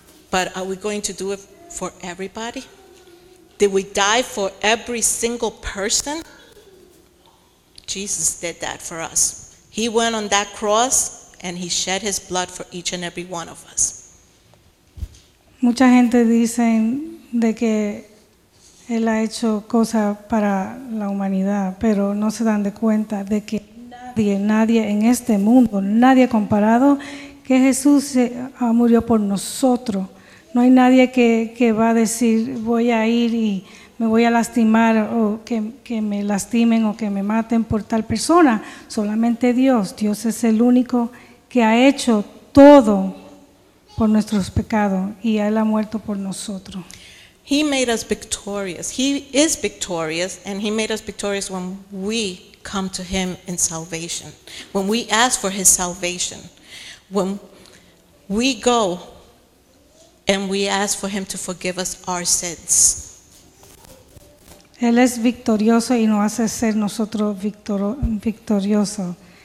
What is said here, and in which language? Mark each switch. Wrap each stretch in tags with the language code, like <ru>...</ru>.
<en>But are we going to do it for everybody? Did we die for every single person? Jesus did that for us. He went on that cross and He shed His blood for each and every one of us.</en> <es>Mucha gente dice de que Él ha hecho cosas para la humanidad, pero no se dan de cuenta de que nadie en este mundo, nadie comparado, que Jesús murió por nosotros. No hay nadie que va a decir, voy a ir y me voy a lastimar o que me lastimen o que me maten por tal persona. Solamente Dios. Dios es el único que ha hecho todo por nuestros pecados y Él ha muerto por nosotros.</es> <en>He made us victorious. He is victorious and He made us victorious when we come to Him in salvation. When we ask for His salvation. When we go and we ask for Him to forgive us our sins.</en> <es>Él es victorioso y nos hace ser nosotros victorioso.</es>